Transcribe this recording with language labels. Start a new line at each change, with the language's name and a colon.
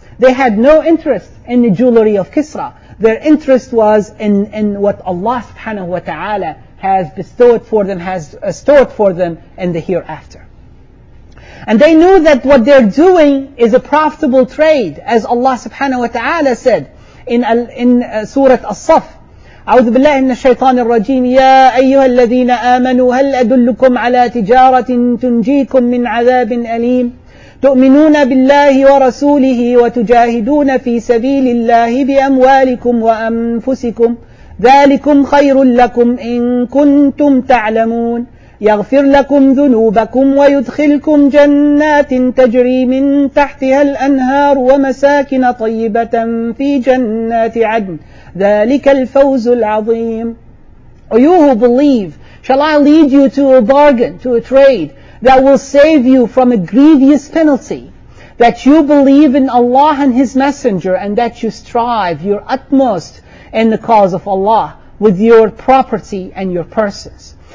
English: They had no interest in the jewelry of Kisra. Their interest was in what Allah subhanahu wa ta'ala has bestowed for them, has stored for them in the hereafter. And they knew that what they're doing is a profitable trade, as Allah subhanahu wa ta'ala said in Surah As-Saff.
Arabic: أعوذ بالله من الشيطان الرجيم يا أيها الذين آمنوا هل أدلكم على تجارة تنجيكم من عذاب أليم تؤمنون بالله ورسوله وتجاهدون في سبيل الله بأموالكم وأنفسكم ذلكم خير لكم إن كنتم تعلمون يغفر لكم ذنوبكم ويدخلكم جنات تجري من تحتها الأنهار ومساكن طيبة في جنات عدن ذلك الفوز العظيم.
English: O you who believe, shall I lead you to a bargain, to a trade that will save you from a grievous penalty? That you believe in Allah and His Messenger, and that you strive your utmost in the cause of Allah with your property and your persons.